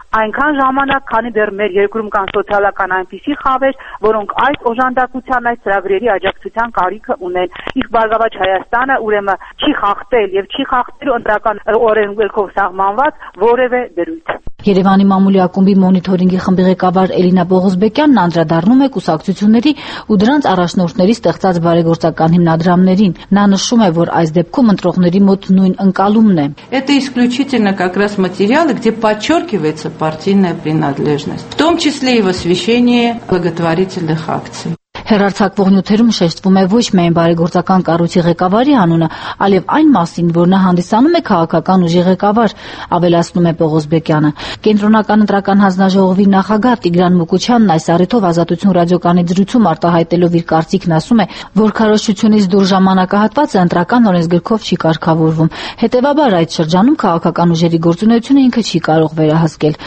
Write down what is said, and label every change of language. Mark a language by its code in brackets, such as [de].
[hy] այնքան ժամանակ, քանի դեռ մեր երկրում կան սոցիալական այնպիսի խավեր, որոնք այս օժանդակության, այս ծրագրերի աջակցության կարիք ունեն։ Իսկ բարգավաճ Հայաստանը ուրեմն չի խախտել եւ չի խախտելու ընդրական օրենքով սահմանված որևէ դրույթ։ Երևանի մամուլի ակումբի մոնիթորինգի խմբի ղեկավար Էլինա Բողոսբեկյանն անդրադառնում է կուսակցությունների ու դրանց առաջնորդների ստեղծած բարեգործական հիմնադրամներին։ Նա նշում է, որ այս դեպքում ընտրողների մոտ նույն ընկալումն է։ [ru] Это исключительно как раз материалы, где подчёркивается партийная принадлежность, в том числе и в освещении благотворительных акций. [hy] Հերարցակվող նյութերում շեշտվում է ոչ միայն բարեգործական կառույցի ղեկավարի անունը, այլև այն մասին, որ նա հանդիսանում է քաղաքական ուժի ղեկավար, ավելացնում է Պողոսբեկյանը։ Կենտրոնական ընտրական հանձնաժողովի նախագահ Տիգրան Մուկուչյանն այս առիթով Ազատություն ռադիոկանի դրույթում արտահայտելով իր կարծիքն ասում է, որ քարոշությունից դուր ժամանակահատվածը ընտրական օրենսգրքով չի կարգավորվում, հետևաբար այդ շրջանում քաղաքական ուժերի գործունեությունը ինքը չի կարող վերահսկել։